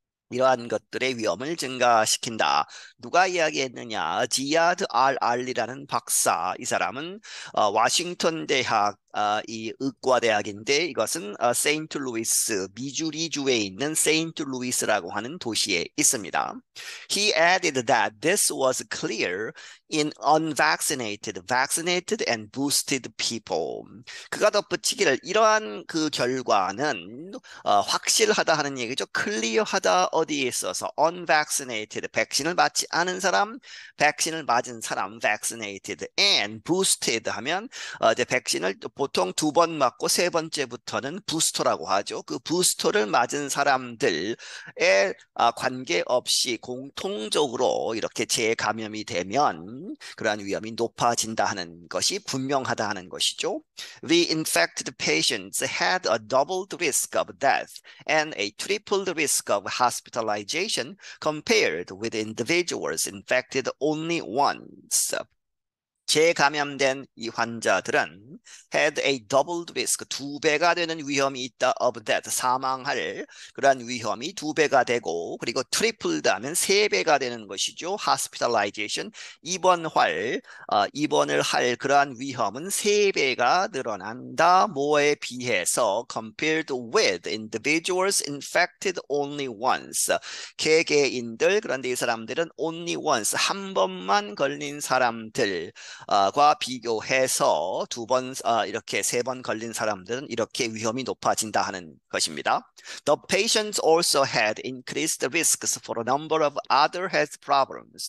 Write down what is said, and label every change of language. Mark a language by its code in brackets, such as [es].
[ko] 이러한 것들의 위험을 증가시킨다. 누가 이야기했느냐? 지아드 알 알리라는 박사. 이 사람은 와싱턴 대학 이 의과대학인데 이것은 세인트 루이스, 미주리주에 있는 세인트 루이스라고 하는 도시에 있습니다. [en] He added that this was clear in unvaccinated, vaccinated and boosted people. [ko] 그가 덧붙이기를 이러한 그 결과는 확실하다 하는 얘기죠. 클리어하다 어디에 있어서 [en] unvaccinated, [ko] 백신을 맞지 않은 사람, 백신을 맞은 사람, [en] vaccinated and boosted [ko] 하면 이제 백신을 보통 두번 맞고 세 번째부터는 부스터라고 하죠. 그 부스터를 맞은 사람들에 관계없이 공통적으로 이렇게 재감염이 되면 그러한 위험이 높아진다 하는 것이 분명하다 하는 것이죠. [en] The infected patients had a doubled risk of death and a tripled risk of hospitalization compared with individuals infected only once. [ko] 재감염된 이 환자들은 [en] had a doubled risk, [ko] 두 배가 되는 위험이 있다 [en] of death, [ko] 사망할 그러한 위험이 두 배가 되고, 그리고 tripled 하면 세 배가 되는 것이죠. hospitalization, 입원을 할 그러한 위험은 세 배가 늘어난다. 뭐에 비해서 [en] compared with individuals infected only once. [ko] 개개인들, 그런데 이 사람들은 [en] only once, [ko] 한 번만 걸린 사람들, 과 비교해서 두 번, 이렇게 세번 걸린 사람들은 이렇게 위험이 높아진다 하는 것입니다. [en] The patients also had increased risks for a number of other health problems.